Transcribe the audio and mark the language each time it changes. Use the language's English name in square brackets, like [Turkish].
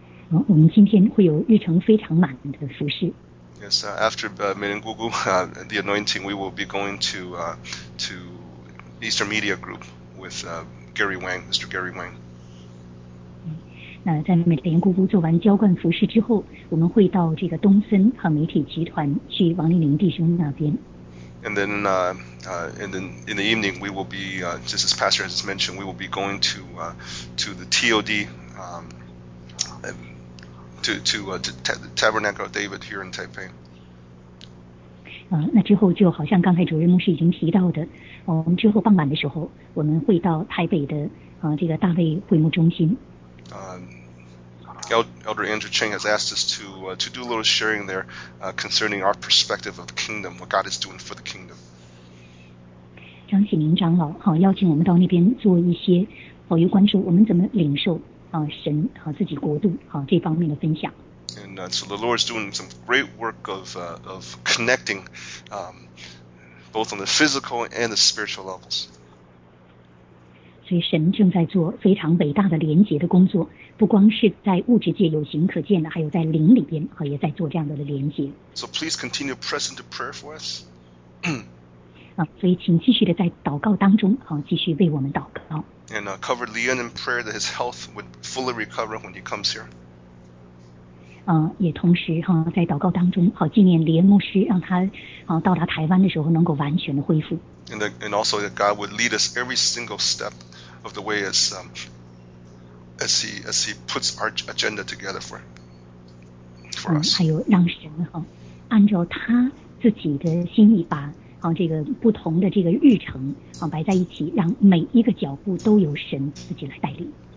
[Chinese] 好，我们今天会有日程非常满的服事。 [English] Yes, after Meneng Gugu, the anointing, we will be going to Eastern Media Group with Gary Wang, Mr. Gary Wang. [Chinese] 那在Meneng Gugu做完浇灌服事之后，我们会到这个东森和媒体集团去王立林弟兄那边。 [English] And then, in the evening, we will be, just as Pastor has mentioned, we will be going to the TOD, to Tabernacle of David here in Taipei. [Chinese] 那之后就好像刚才主任牧师已经提到的，我们之后傍晚的时候，我们会到台北的这个大卫会幕中心。 [English] Elder Andrew Chang has asked us to do a little sharing there concerning our perspective of the kingdom, what God is doing for the kingdom. [Chinese] 张启明长老好邀请我们到那边做一些好有关注我们怎么领受神和自己国度好这方面的分享。 [English] And so the Lord is doing some great work of connecting both on the physical and the spiritual levels. [Chinese] 所以神正在做非常伟大的连结的工作。不光是在物质界有形可见的，还有在灵里边，也在做这样的连接。 [English] So please continue pressing to prayer for us. [Chinese] 所以请继续的在祷告当中，继续为我们祷告。 [English] And cover Leon in prayer that his health would fully recover when he comes here. [Chinese] 也同时在祷告当中，纪念李恩牧师，让他到达台湾的时候能够完全的恢复。 [English] And also that God would lead us every single step of the way as. As he puts our agenda together for us. [Chinese] 还有让神按照他自己的心意把这个不同的这个日程摆在一起，让每一个脚步都由神自己来带领。